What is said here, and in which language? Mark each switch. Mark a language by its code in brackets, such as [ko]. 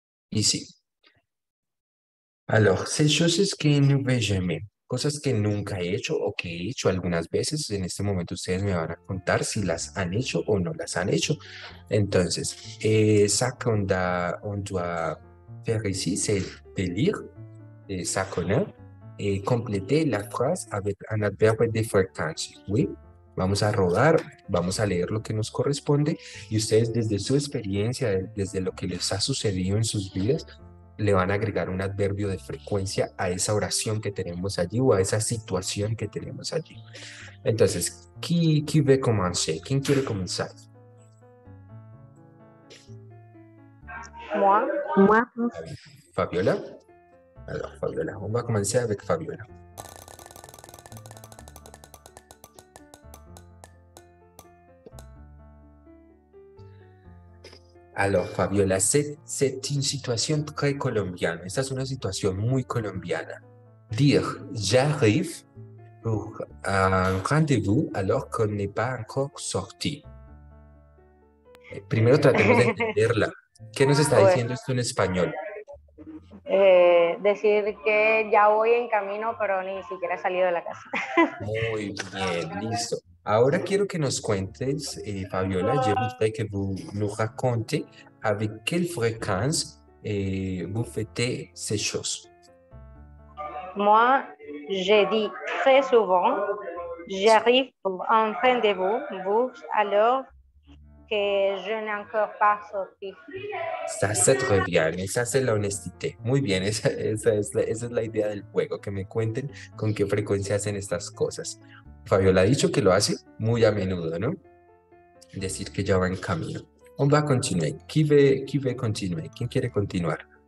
[es] Ici. Alors, [fr] ces choses [es] que no veo jamais, cosas que nunca he hecho o que he hecho algunas veces, en este momento ustedes me van a contar si las han hecho o no las han hecho. [fr] Entonces, ça qu'on doit faire ici, c'est de lire, ça qu'on a, compléter la phrase avec un adverbe de fréquence, oui. [es] Vamos a rodar, vamos a leer lo que nos corresponde y ustedes desde su experiencia, desde lo que les ha sucedido en sus vidas, le van a agregar un adverbio de frecuencia a esa oración que tenemos allí o a esa situación que tenemos allí. Entonces, [fr] ¿qui veut commencer? [es] ¿Quién quiere comenzar? [fr] Moi. [es] ¿Fabiola? Alors, Fabiola, vamos a comenzar avec Fabiola. [fr] Alors, Fabiola, c'est une situation très colombiana. [es] Esta es una situación muy colombiana. [fr] Dire, j'arrive pour un rendez-vous alors qu'on n'est pas encore sorti. [es] Primero tratemos de entenderla. ¿Qué nos está diciendo esto en español? Decir que ya voy en camino, pero ni siquiera he salido de la casa. Muy bien, listo. Ahora quiero que nos cuentes, [fr] Fabiola, je voudrais que vous nous racontes avec quelle fréquence vous faites ces choses. Moi, je dis très souvent, j'arrive pour un rendez-vous, vous, alors que je n'ai encore pas sorti. Ça, c'est très bien, ça, c'est l'honnêteté. [es] Muy bien, esa es la idea del juego, que me cuenten con qué frecuencia hacen estas cosas. Fabiola ha dicho que lo hace muy a menudo, ¿no? Decir que ya va en camino. ¿Quién va a continuar? ¿Quién va a continuar? ¿Quién quiere continuar?